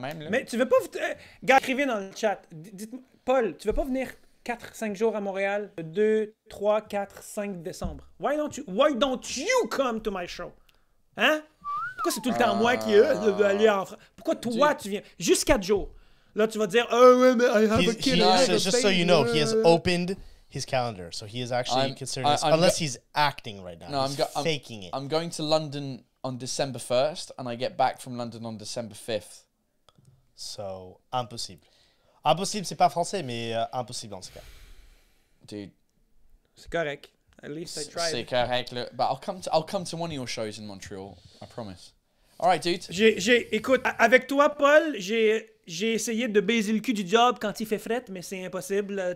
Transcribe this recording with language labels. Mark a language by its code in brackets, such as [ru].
[fr] Mais tu veux pas, gars, écrivez dans le chat. Dites-moi, Paul, tu veux pas venir 4-5 jours à Montréal, 2-3-4-5 décembre. [en] Why don't you come to my show? Hein? [fr] Pourquoi c'est tout le temps moi qui veux aller en France? Pourquoi toi tu viens juste 4 jours? Là, tu vas dire, [en] oh, I have a kid. Just so you know, he has opened his calendar. So he is actually he's acting right now. No, he's faking it. I'm going to London on December 1st, and I get back from London on December 5th. So, impossible. [fr] Impossible, c'est pas français, mais impossible en ce cas. [en] Dude. [fr] C'est correct. [en] At least I tried. [fr] C'est correct. [en] Look, but I'll come to one of your shows in Montreal. I promise. All right, dude. [fr] Écoute, avec toi, Paul, J'ai essayé de baiser le cul du job quand il fait fret, mais c'est impossible.